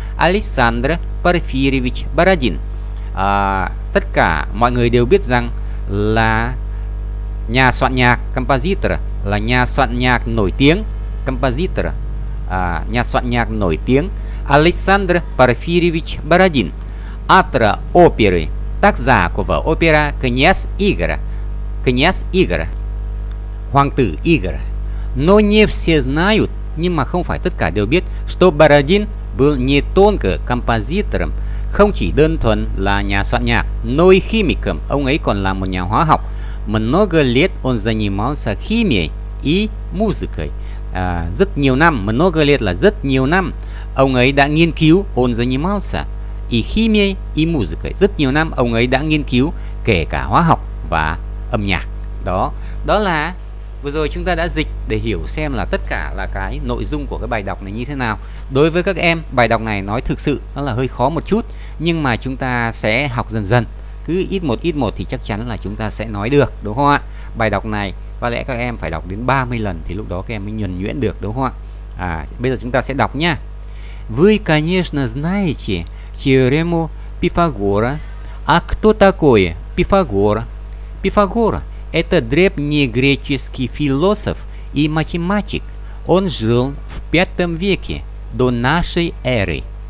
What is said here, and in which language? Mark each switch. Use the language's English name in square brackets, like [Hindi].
[Russian] Александр Порфирьевич Бородин. [Vietnamese] Tất cả mọi người đều biết rằng là nhà soạn nhạc compositor, là nhà soạn nhạc nổi tiếng compositor, nhà soạn nhạc nổi tiếng Александр Порфирьевич Бородин. [Russian] Автор оперы, [Vietnamese] tác giả của vở opera Князь Игорь, hoàng tử Игорь. [Russian] Но не все знают, [Vietnamese] nhưng mà không phải tất cả đều biết, [Russian] что Бородин был не только композитором, [Vietnamese] không chỉ đơn thuần là nhà soạn nhạc, [Russian] но и химиком, [Vietnamese] ông ấy còn là một nhà hóa học. [Russian] Много лет он занимался химией и музыкой. [Vietnamese] Rất nhiều năm, [Russian] много лет [Vietnamese] là rất nhiều năm, ông ấy đã nghiên cứu, [Russian] он занимался и химией и музыкой. [Vietnamese] Rất nhiều năm ông ấy đã nghiên cứu kể cả hóa học và âm nhạc. Đó là vừa rồi chúng ta đã dịch để hiểu xem là tất cả là cái nội dung của cái bài đọc này như thế nào. Đối với các em, bài đọc này nói thực sự nó là hơi khó một chút, nhưng mà chúng ta sẽ học dần dần, cứ ít một thì chắc chắn là chúng ta sẽ nói được, đúng không ạ? Bài đọc này có lẽ các em phải đọc đến 30 lần thì lúc đó các em mới nhuần nhuyễn được, đúng không ạ? Bây giờ chúng ta sẽ đọc nha. [Russian] Вы, конечно, знаете теорему Пифагора. А кто такой Пифагор? Пифагор – это древнегреческий философ и математик. Он жил в V веке до нашей эры.